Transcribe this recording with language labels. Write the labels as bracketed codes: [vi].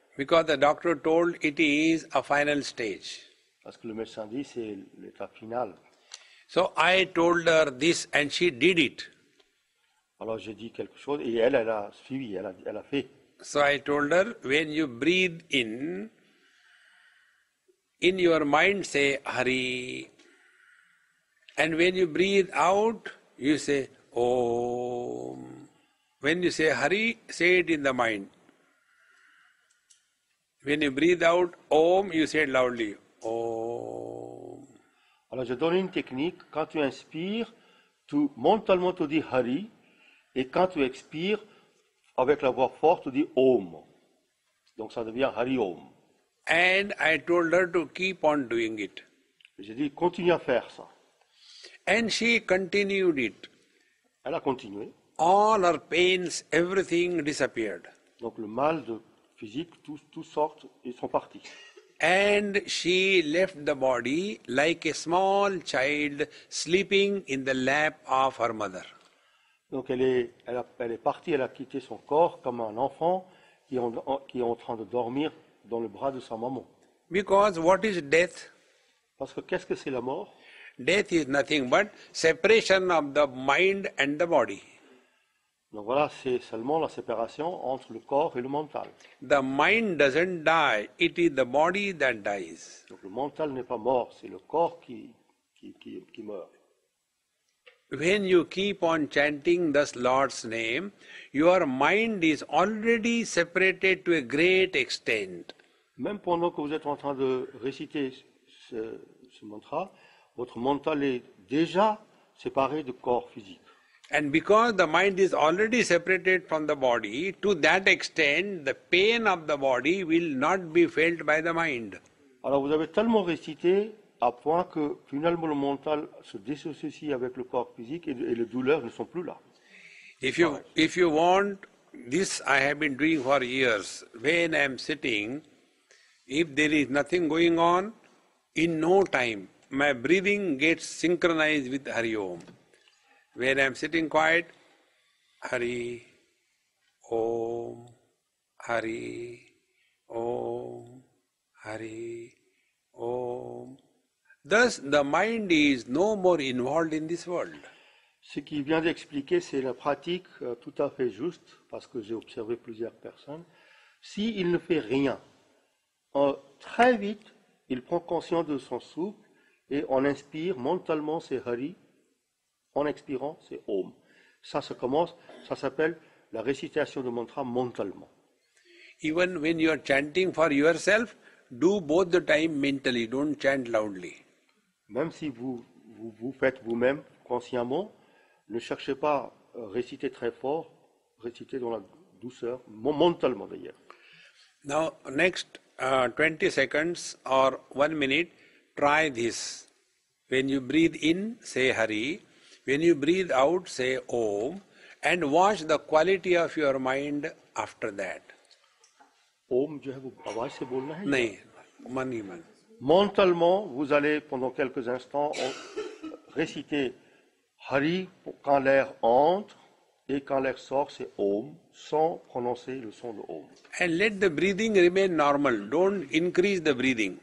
[en] Because the doctor told it is a final stage. [fr] Parce que le médecin dit c'est l'étape finale. [en] So I told her this and she did it. [fr] Alors j'ai dit quelque chose et elle a suivi, elle a fait. [en] So I told her, when you breathe in your mind say Hari. And when you breathe out, you say Om. When you say Hari, say it in the mind. When you breathe out Om, you say it loudly Om. [fr] Alors, je donne une technique. Quand tu inspires, tu mentalement tu dis Hari, et quand tu expires, avec la voix forte, tu dis Om. Donc, ça devient Hari Om. [en] And I told her to keep on doing it. [fr] J'ai dit, continue à faire ça. [en] And she continued it. [fr] Elle a continué. [en] All her pains, everything disappeared. [fr] Donc, le mal de physique, tout sort, ils sont partis. [en] And she left the body like a small child sleeping in the lap of her mother. [fr] Donc elle est partie, elle a quitté son corps comme un enfant qui est en train de dormir dans le bras de sa maman. [en] Because what is death? [fr] Parce que qu'est-ce que c'est la mort? [en] Death is nothing but separation of the mind and the body. [fr] Donc voilà, c'est seulement la séparation entre le corps et le mental. [en] The mind doesn't die, it is the body that dies. [fr] Donc le mental n'est pas mort, c'est le corps qui meurt. [en] When you keep on chanting this Lord's name, your mind is already separated to a great extent. [fr] Même pendant que vous êtes en train de réciter ce mantra, votre mental est déjà séparé du corps physique. [en] And because the mind is already separated from the body, to that extent, the pain of the body will not be felt by the mind. [fr] Alors vous avez tellement récité à point que finalement le mental se dissocie avec le corps physique et les douleurs ne sont plus là. [en] If you want this, I have been doing for years. When I am sitting, if there is nothing going on, in no time, my breathing gets synchronized with Hari Om. When I am sitting quiet, Hari Om, Hari Om, Hari Om. Thus, the mind is no more involved in this world. [fr] Ce qu'il vient d'expliquer, c'est la pratique tout à fait juste, parce que j'ai observé plusieurs personnes. S'il ne fait rien, très vite, il prend conscience de son souffle et on inspire mentalement, c'est Hari. En expirant, c'est Om. Ça se commence, ça s'appelle la récitation de mantra mentalement. [en] Even when you are chanting for yourself, do both the time mentally, don't chant loudly. [fr] Même si vous faites vous-même consciemment, ne cherchez pas à réciter très fort, récitez dans la douceur, mentalement d'ailleurs. [en] Now, next 20 seconds or 1 minute, try this. When you breathe in, say Hari. When you breathe out, say Om. And watch the quality of your mind after that. [hi] Om, jo hai, wo awaaz se bolna hai? Nahin, man hi man. [fr] Mentalement, vous allez pendant quelques instants réciter Hari quand l'air entre et quand l'air sort, c'est Om, sans prononcer le son de Om. [en] And let the breathing remain normal. Don't increase the breathing.